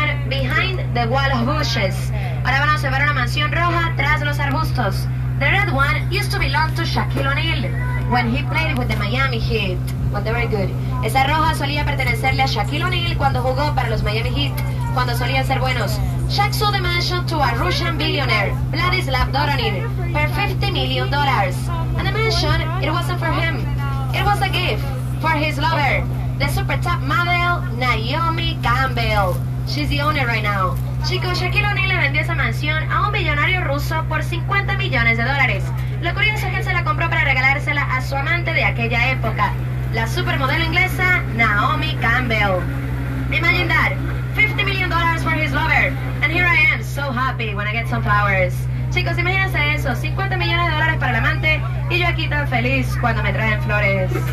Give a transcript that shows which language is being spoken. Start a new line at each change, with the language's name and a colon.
English: Behind the wall of bushes.
Spanish: Ahora van a observar una mansión roja tras los arbustos.
English: The red one used to belong to Shaquille O'Neal when he played with the Miami Heat. But they were good.
Spanish: Esa roja solía pertenecerle a Shaquille O'Neal cuando jugó para los Miami Heat, cuando solían ser buenos.
English: Shaq sold the mansion to a Russian billionaire, Vladislav Doronin, for $50 million. And the mansion, it wasn't for him. It was a gift for his lover, the super top model Naomi Campbell. She's the owner right now.
Spanish: Chicos, Shaquille O'Neal le vendió esa mansión a un millonario ruso por $50 millones. Lo curioso es que se la compró para regalársela a su amante de aquella época, la supermodelo inglesa Naomi Campbell.
English: Imagine that, $50 million for his lover. And here I am, so happy when I get some flowers.
Spanish: Chicos, imagínense eso, $50 millones para el amante y yo aquí tan feliz cuando me traen flores.